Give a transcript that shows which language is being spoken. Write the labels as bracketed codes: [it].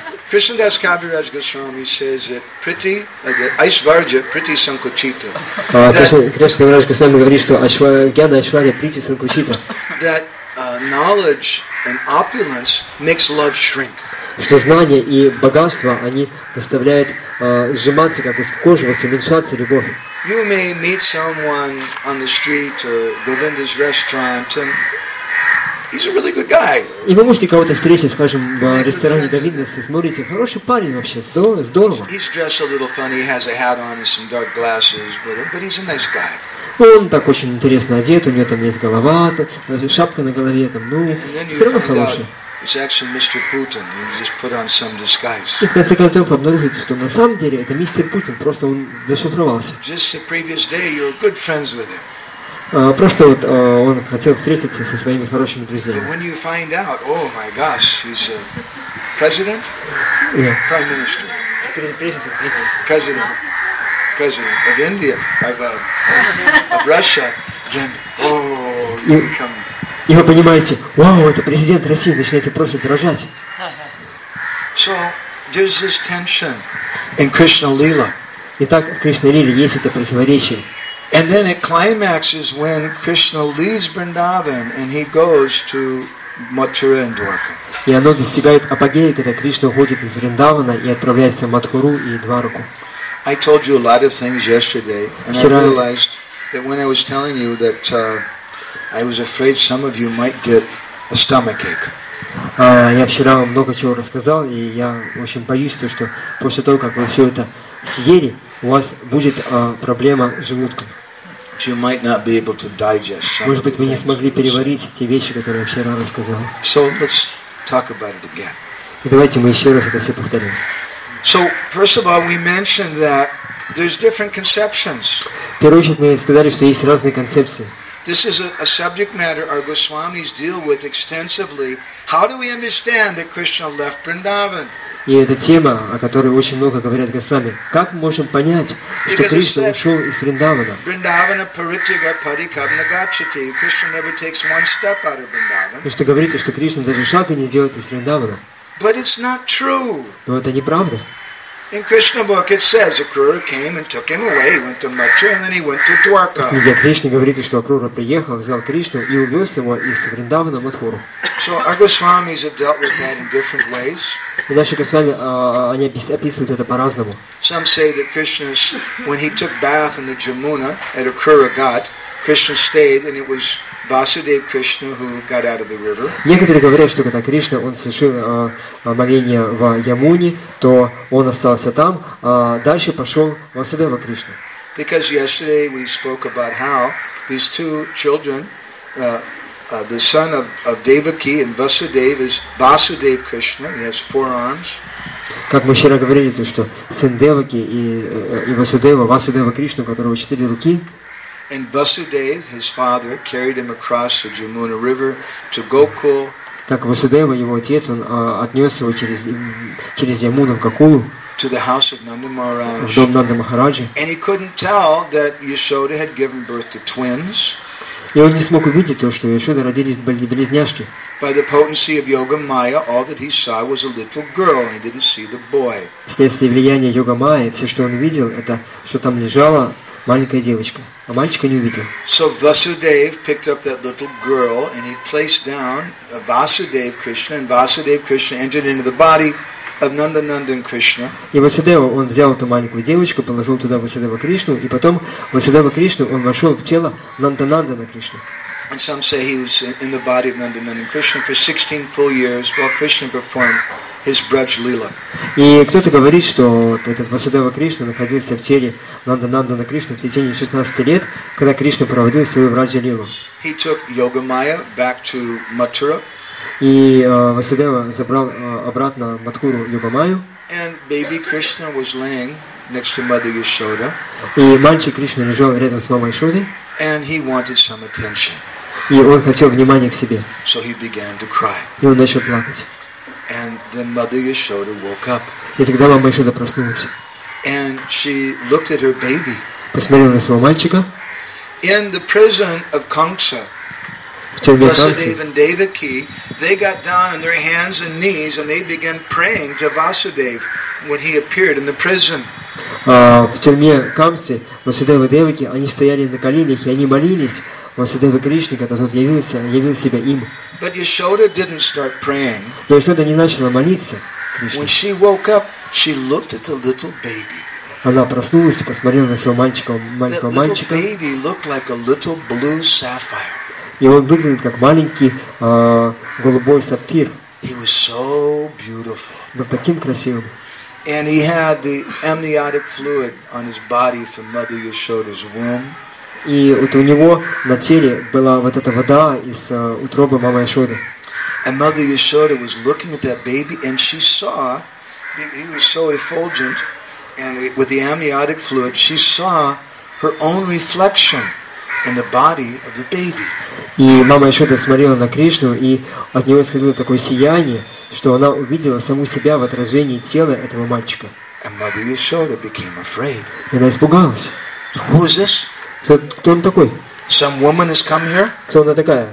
[en] Krishna Das Kaviraj Goswami says that priti, aishvarya, priti sankuchita. [ru] Krishna Das Goswami говорит, что гьяна айшварья прити санкучита. [en] That knowledge and opulence makes love shrink. [ru] Что знание и богатство они заставляют сжиматься, как бы скукоживаться, уменьшаться любовь. [en] You may meet someone on the street or Govinda's restaurant. And he's a really good guy. [ru] И вы можете кого-то встретить, скажем, в ресторане Давидос, и смотрите, хороший парень вообще, здорово. [en] He's dressed a little funny, he has a hat on and some dark glasses, but he's a nice guy. [ru] Он так очень интересно одет, у него там есть голова, шапка на голове, там, ну, все равно хороший. [en] It's actually Mr. Putin. He just put on some disguise. [ru] И в конце концов обнаружите, что на самом деле это мистер Путин, просто он зашифровался. [en] Just the previous day, you were good friends with him. [ru] Просто вот он хотел встретиться со своими хорошими друзьями. [en] When you find out, oh my gosh, he's a president? Yeah. Prime Minister. President of India, of Russia, then oh, you become. [ru] И вы понимаете, вау, это президент России, начинаете просто дрожать. [en] So there's this tension in Krishna Lila. [ru] Итак, в Кришна Лиле есть это противоречие. [en] And then it climaxes when Krishna leaves Vrindavan and he goes to Mathura and Dwarka. [ru] И оно достигает апогея, когда Кришна уходит из Вриндавана и отправляется в Матхуру и Дварку. [en] I told you a lot of things yesterday, and I realized that when I was telling you that I was afraid some of you might get a stomach ache. [ru] Я вчера вам много чего рассказал, и я очень боюсь то, что после того, как вы все это съели, у вас будет проблема с желудком. [en] You might not be able to digest some. [ru] Может быть, вы не смогли переварить те вещи, которые я вчера рассказал. [en] So let's talk about it again. [ru] И давайте мы еще раз это все повторим. [en] So first of all, we mentioned that there's different conceptions. [ru] В первую очередь мы сказали, что есть разные концепции. [en] This is a subject matter our Goswamis deal with extensively. How do we understand that Krishna left Vrindavan? [ru] И это тема, о которой очень много говорят Госвами. Как мы можем понять, что Кришна ушел из Вриндавана? [sa] Vrindavana paritya parikavna gacchati. [en] Krishna never takes one step out of Vrindavan. [ru] И что говорите, что Кришна даже шага не делает из Вриндавана? [en] But it's not true. [ru] Но это неправда. [en] In Krishna book it says Akrura came and took him away, went to Mathura and then he went to Dwarka. [ru] В книге Кришны говорится, что Акрура приехал, взял Кришну и увез его из Вриндавана в Матхуру. [en] So our Goswamis have dealt with that in different ways. [ru] Наши Госвами, они описывают это по-разному. [en] Some say that Krishna, when he took bath in the Jamuna at Akrura Ghat, Krishna stayed and it was Vasudev Krishna who got out of the river. [ru] Некоторые говорят, что когда Кришна он совершил омовение в Ямуне, то он остался там, а дальше пошел Васудева Кришна. [en] Because yesterday we spoke about how these two children, the son of Devaki and Vasudev is Vasudev Krishna. He has four arms. [ru] Как мы вчера говорили, то что сын Деваки и Васудева, Васудева Кришна, у которого четыре руки. [en] And Vasudev, his father, carried him across the Jamuna River to Gokul. [ru] Так Васудева, его отец, он отнес его через Ямуну в Гокулу. [en] To the house of Nanda Maharaj. [ru] В дом Нанды Махараджи. [en] And he couldn't tell that Yashoda had given birth to twins. [ru] И он не смог увидеть то, что Яшода родились близняшки. [en] By the potency of Yoga Maya, all that he saw was a little girl. He didn't see the boy. [ru] Вследствие влияния Йога Майи, все, что он видел, это что там лежало. Маленькая девочка, а мальчика не увидел. [en] So Vasudev picked up that little girl and he placed down Vasudev Krishna, and Vasudev Krishna entered into the body of Nanda Nandan Krishna. [ru] И Васудева, он взял эту маленькую девочку, положил туда Васудева Кришну, и потом Васудева Кришна, он вошел в тело Нанда Нандана Кришны. [en] And some say he was in the body of Nanda Nandan Krishna for 16 full years while Krishna performed his Braj Lila. [ru] И кто-то говорит, что этот Васудева Кришна находился в теле Нанда Нандана Кришны в течение 16 лет, когда Кришна проводил свою Браджа Лилу. [en] He took Yoga Maya back to Mathura. [ru] И Васудева забрал обратно Матхуру Йога Майю. [en] And baby Krishna was laying next to Mother Yashoda. [ru] И мальчик Кришна лежал рядом с мамой Яшодой. [en] And he wanted some attention. [ru] И он хотел внимания к себе. [en] So he began to cry. [ru] И он начал плакать. [en] And then Mother Yashoda woke up. [ru] И тогда мама Яшода проснулась. [en] And she looked at her baby. [ru] Посмотрела на своего мальчика. [en] In the prison of Kamsa, Vasudev and Devaki, they got down on their hands and knees and they began praying to Vasudev when he appeared in the prison. [ru] В тюрьме Камсы Васудева и Девики, они стояли на коленях и они молились Васудева Кришне, когда тот явил себя им. [en] But Yashoda didn't start praying. [ru] Но Яшода не начала молиться. [en] When she woke up, she looked at the little baby. [ru] Она проснулась и посмотрела на своего мальчика, маленького мальчика. [en] That little baby looked like a little blue sapphire. [ru] И он выглядит как маленький голубой сапфир. [en] He was so beautiful. [ru] Был таким красивым. [en] And he had the amniotic fluid on his body from Mother Yashoda's womb. [ru] И вот у него на теле была вот эта вода из утробы мамы Яшоды. [en] And Mother Yashoda was looking at that baby, and she saw he was so effulgent, and with the amniotic fluid, she saw her own reflection in the body of the baby. [ru] И мама Яшода смотрела на Кришну, и от нее исходило такое сияние, что она увидела саму себя в отражении тела этого мальчика. [en] And Mother Yashoda became afraid. [ru] И она испугалась. [en] Who is this? [ru] Кто он такой? [en] Some woman has come here. [ru] Кто она такая?